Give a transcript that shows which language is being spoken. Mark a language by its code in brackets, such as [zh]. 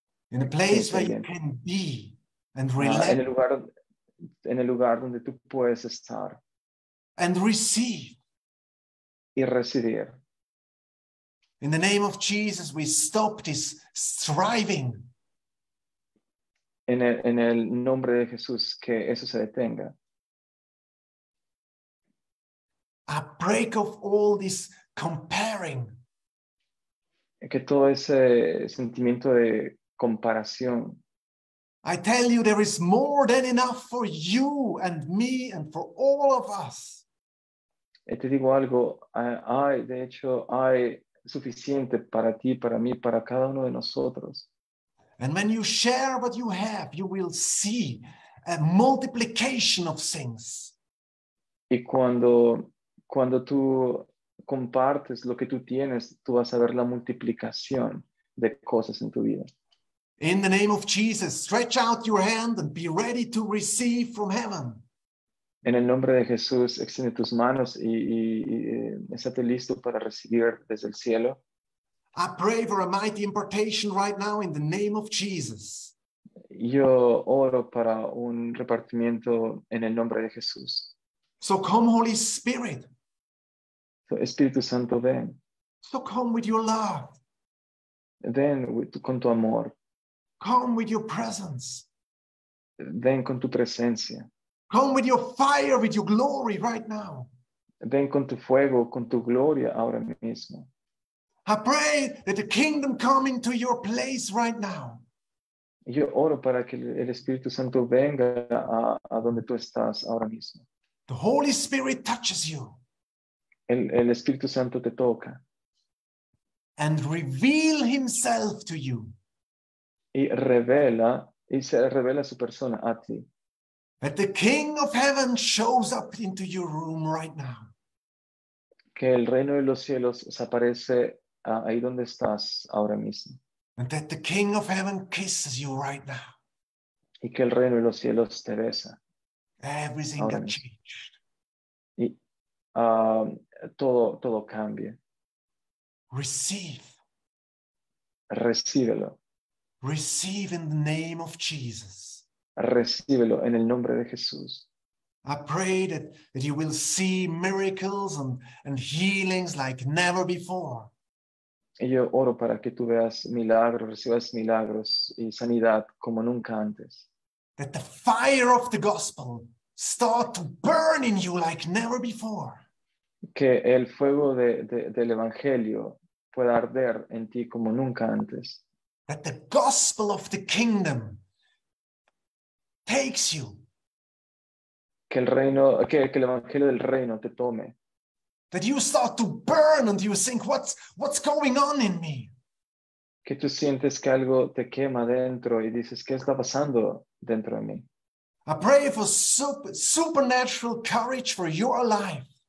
[en] In the place where you can be and relax. [es] En el lugar donde tú puedes estar. [en] And receive. [es] Y recibir. [en] In the name of Jesus, we stop this striving. [es] En el nombre de Jesús, que eso se detenga. [en] A break of all this comparing. [es] Que todo ese sentimiento de comparación. [en] I tell you, there is more than enough for you and me and for all of us. [es] Y te digo algo, hay suficiente para ti, para mí, para cada uno de nosotros. [en] And when you share what you have, you will see a multiplication of things. [es] Y cuando tú compartes lo que tú tienes, tú vas a ver la multiplicación de cosas en tu vida. [en] In the name of Jesus, stretch out your hand and be ready to receive from heaven. [es] En el nombre de Jesús, extiende tus manos y estate listo para recibir desde el cielo. [en] I pray for a mighty impartation right now in the name of Jesus. [es] Yo oro para un repartimiento en el nombre de Jesús. [en] So come, Holy Spirit. [es] So, Espíritu Santo, ven. [en] So come with your love. [es] Ven con tu amor. [en] Come with your presence. [es] Ven con tu presencia. [en] Come with your fire, with your glory right now. [es] Ven con tu fuego, con tu gloria ahora mismo. [en] I pray that the kingdom come into your place right now. [es] Yo oro para que el Espíritu Santo venga a donde tú estás ahora mismo. [en] The Holy Spirit touches you. [es] El Espíritu Santo te toca. [en] And reveal himself to you. [es] Y se revela su persona a ti. [en] That the King of Heaven shows up into your room right now. [es] Que el reino de los cielos se aparece ahí donde estás ahora mismo. [en] And that the King of Heaven kisses you right now. [es] Y que el reino de los cielos te besa. [en] Everything got changed. [es] Y todo cambia. [en] Receive. [es] Recíbelo. [en] Receive in the name of Jesus. [es] Recíbelo en el nombre de Jesús. [en] I pray that you will see miracles and healings like never before. [es] Y yo oro para que tú veas milagros, recibas milagros y sanidad como nunca antes. [en] That the fire of the gospel start to burn in you like never before. [es] Que el fuego del evangelio pueda arder en ti como nunca antes. [en] That the gospel of the kingdom takes you. [es] Que el reino, que el evangelio del reino te tome. [en] That you start to burn and you think, what's going on in me? [es] que tú sientes que algo te quema dentro y dices, ¿qué está pasando dentro de mí? [en] I pray for supernatural courage for your life.